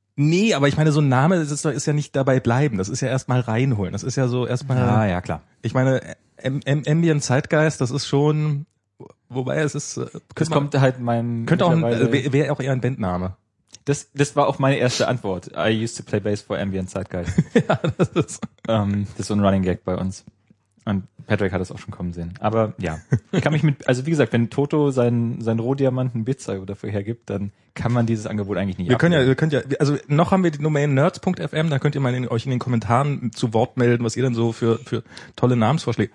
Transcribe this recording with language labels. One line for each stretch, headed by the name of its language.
German: Nee, aber ich meine, so ein Name ist ja nicht dabei bleiben. Das ist ja erstmal reinholen. Das ist ja so erstmal. Ja, ja, klar. Ich meine, Ambient Zeitgeist, das ist schon, wobei es ist. Das man, kommt halt mein. Könnte auch wäre auch eher ein Bandname. Das war auch meine erste Antwort.
English: I used to play bass for Ambient Zeitgeist.
German: Das ist so ein Running Gag bei uns. Und Patrick hat es auch schon kommen sehen. Aber ja, ich kann mich mit, also wie gesagt, wenn Toto seinen Rohdiamanten Bitzer dafür hergibt, dann kann man dieses Angebot eigentlich nicht abnehmen. Wir können ja, also noch haben wir die Domain nerds.fm, da könnt ihr mal euch in den Kommentaren zu Wort melden, was ihr denn so für tolle Namensvorschläge.